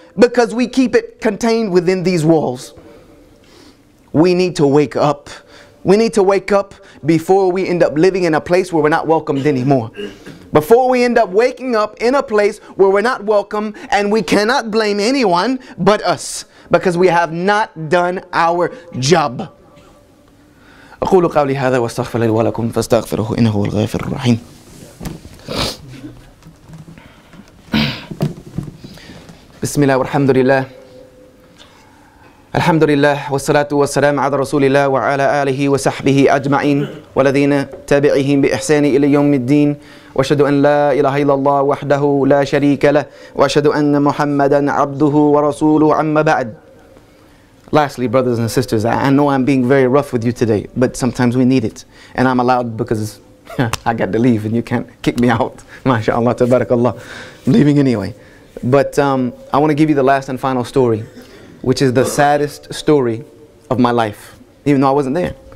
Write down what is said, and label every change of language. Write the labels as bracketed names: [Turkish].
[English] Because we keep it contained within these walls. We need to wake up. We need to wake up before we end up living in a place where we're not welcomed anymore. Before we end up waking up in a place where we're not welcome and we cannot blame anyone but us because we have not done our job. [Arabic] أقول قولي هذا واستغفر لي ولكم فاستغفره إنه الغفور الرحيم. بسم الله والحمد لله. الحمد لله والصلاة والسلام على رسول الله وعلى آله وصحبه أجمعين والذين تابعهم بإحسان إلى يوم الدين وأشهد أن لا إله إلا الله وحده لا شريك له وأشهد أن محمدا عبده ورسوله أما بعد. [English] Lastly, brothers and sisters, I know I'm being very rough with you today, but sometimes we need it, and I'm allowed because I got to leave and you can't kick me out. MashaAllah, tabarakAllah. I'm leaving anyway, but I want to give you the last and final story, which is the saddest story of my life, even though I wasn't there.